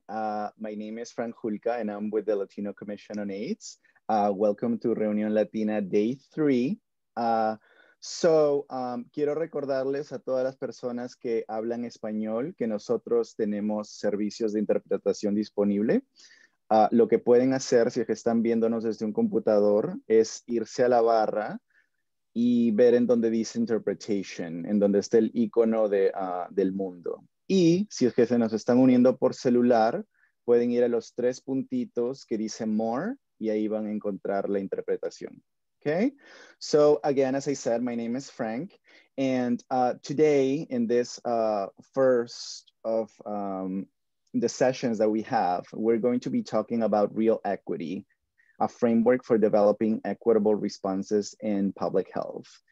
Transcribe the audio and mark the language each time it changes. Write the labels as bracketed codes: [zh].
[en] My name is Frank Julca, and I'm with the Latino Commission on AIDS. Welcome to Reunion Latina Day 3. [es] Quiero recordarles a todas las personas que hablan español que nosotros tenemos servicios de interpretación disponible. Lo que pueden hacer, si es que están viéndonos desde un computador, es irse a la barra y ver en donde dice interpretation, en donde está el icono de, del mundo. Y si es que se nos están uniendo por celular, pueden ir a los tres puntitos que dice more, y ahí van a encontrar la interpretación. [en] Okay? So again, as I said, my name is Frank. And today in this first of the sessions that we have, we're going to be talking about real equity, a framework for developing equitable responses in public health.